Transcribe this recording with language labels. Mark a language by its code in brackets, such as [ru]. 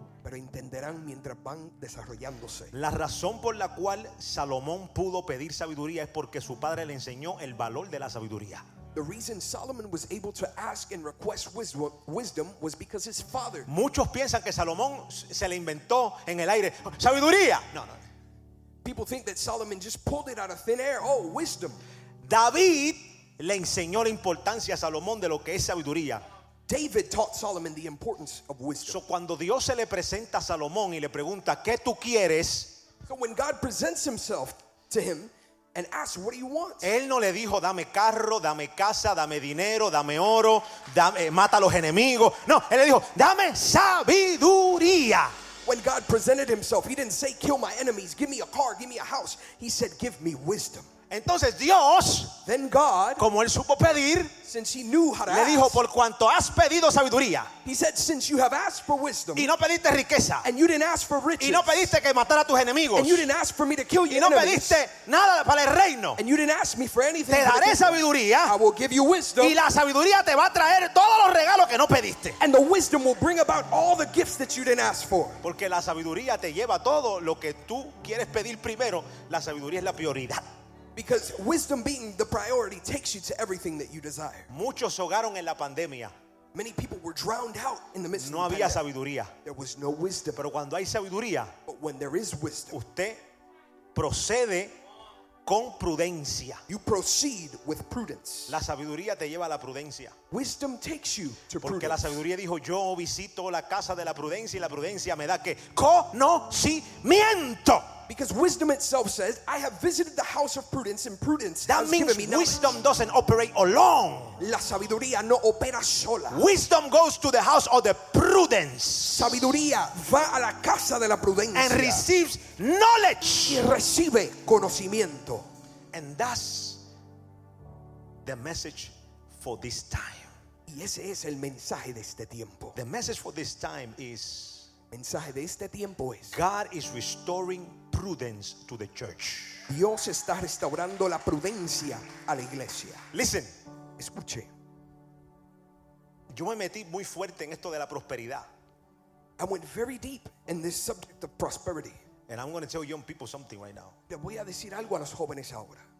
[es] Pero entenderán mientras van desarrollándose. La razón por la cual Salomón pudo pedir sabiduría es porque su padre le enseñó el valor de la sabiduría. [en] The reason Solomon was able to ask and request wisdom was because his father. [es] Muchos piensan que Salomón se le inventó en el aire. Sabiduría. No. [en] People think that Solomon just pulled it out of thin air. Oh, wisdom. [es] David le enseñó la importancia a Salomón de lo que es sabiduría. [en] David taught Solomon the importance of wisdom. [es] So cuando Dios se le presenta a Salomón y le pregunta, ¿qué tú quieres? [en] So when God presents himself to him and asks, what do you want? [es] Él no le dijo, dame carro, dame casa, dame dinero, dame oro, dame, mata a los enemigos. No, él le dijo, dame sabiduría. [en] When God presented himself, he didn't say, kill my enemies, give me a car, give me a house. He said, give me wisdom. [es] Entonces Dios, [en] then God, [es] como él supo pedir, [en] since he knew how to [es] le [en] ask, [es] dijo, por cuanto has pedido sabiduría, [en] he said, since you have asked for wisdom, [es] y no pediste riqueza, [en] and you didn't ask for riches, [es] y no pediste que matara a tus enemigos, [en] and you didn't ask for me to kill your [es] y no [en] enemies, [es] pediste nada para el reino, [en] and you didn't ask me for anything, [es] te daré sabiduría, [en] I will give you wisdom, [es] y la sabiduría te va a traer todos los regalos que no pediste, and the wisdom will bring about all the gifts that you didn't ask for, porque la sabiduría te lleva todo lo que tú quieres pedir primero. La sabiduría es la prioridad. [en] Because wisdom being the priority takes you to everything that you desire. [es] Muchos ahogaron en la pandemia. [en] Many people were drowned out in the midst of the pandemic. [es] No había sabiduría. [en] There was no wisdom. [es] Pero cuando hay sabiduría, [en] but when there is wisdom, [es] usted procede con prudencia. [en] You proceed with prudence. [es] La sabiduría te lleva a la prudencia. [en] Wisdom takes you to [es] porque [en] prudence. [es] Porque la sabiduría dijo, yo visito la casa de la prudencia y la prudencia me da que conocimiento. [en] Because wisdom itself says, I have visited the house of prudence, and prudence that has given me knowledge. That means wisdom doesn't operate alone. [es] La sabiduría no opera sola. [en] Wisdom goes to the house of the prudence. [es] Sabiduría va a la casa de la prudencia. [en] And receives knowledge. [es] Y recibe conocimiento. [en] And that's the message for this time. [es] Y ese es el mensaje de este tiempo. [en] The message for this time is, [es] mensaje de este tiempo es, [en] God is restoring prudence to the church. [es] Dios está restaurando la prudencia a la iglesia. [en] Listen, [es] escuche. Yo me metí muy fuerte en esto de la prosperidad. [en] I went very deep in this subject of prosperity. And I'm going to tell young people something right now. [es] Le voy a decir algo a los jóvenes ahora.